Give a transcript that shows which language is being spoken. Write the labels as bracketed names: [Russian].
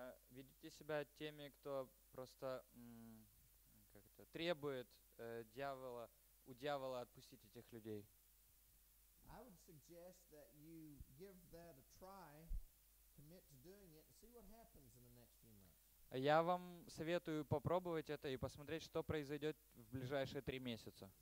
[Russian] Видите себя теми, кто просто как это, требует дьявола, у дьявола отпустить этих людей? [English] I would suggest that you give that a try, commit to doing it, and see what happens in the next few months. [Russian] Я вам советую попробовать это и посмотреть, что произойдет в ближайшие 3 месяца.